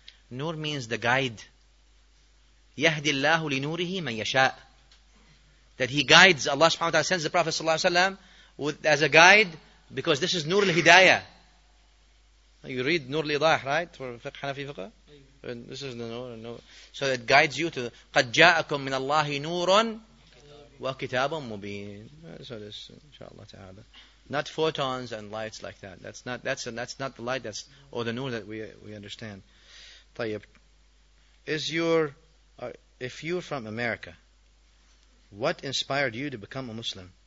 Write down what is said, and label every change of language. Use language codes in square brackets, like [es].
[en] Nur means the guide. [ar] يَهْدِ اللَّهُ لِنُورِهِ مَنْ يَشَاءُ. [en] That he guides, Allah subhanahu wa ta'ala sends the Prophet sallallahu alayhi wa sallam as a guide, because this is Nur al-Hidayah. You read Nur al-Idah, right? For Fiqh Hanafi Fiqh? This is the Nur. So it guides you to [ar] قَدْ جَاءَكُمْ مِنَ اللَّهِ نُورٌ وَكِتَابٌ مُبِينٌ. [en] So this, inshaAllah ta'ala. Not photons and lights like that. That's not the light that's, or the Nur that we understand. Tayyib. If you're from America, what inspired you to become a Muslim?